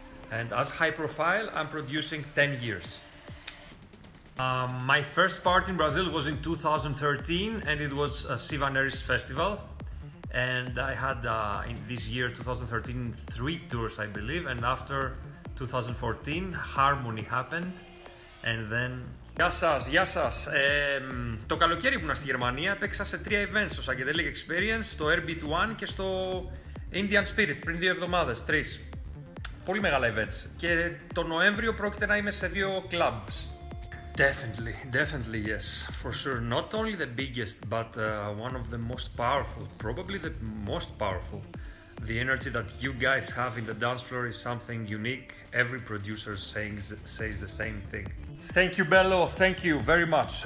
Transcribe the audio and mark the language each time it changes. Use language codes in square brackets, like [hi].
[en] And as High Profile, I'm producing 10 years. My first part in Brazil was in 2013, and it was a Sivaneris festival. And I had in this year 2013 three tours, I believe. And after 2014, Harmony happened, and then. [el] Γεια σας. Το καλοκαίρι που ήμουν στη Γερμανία παίξα σε τρία events, στο Psychedelic Experience, στο Airbeat One και στο Indian Spirit πριν δύο εβδομάδες, τρεις. Πολύ μεγάλα events. Και το Νοέμβριο πρόκειται να είμαι σε δύο clubs. [en] Definitely yes. For sure, not only the biggest, but one of the most powerful. Probably the most powerful. The energy that you guys have in the dance floor is something unique. Every producer says the same thing. Thank you, Bello. Thank you very much.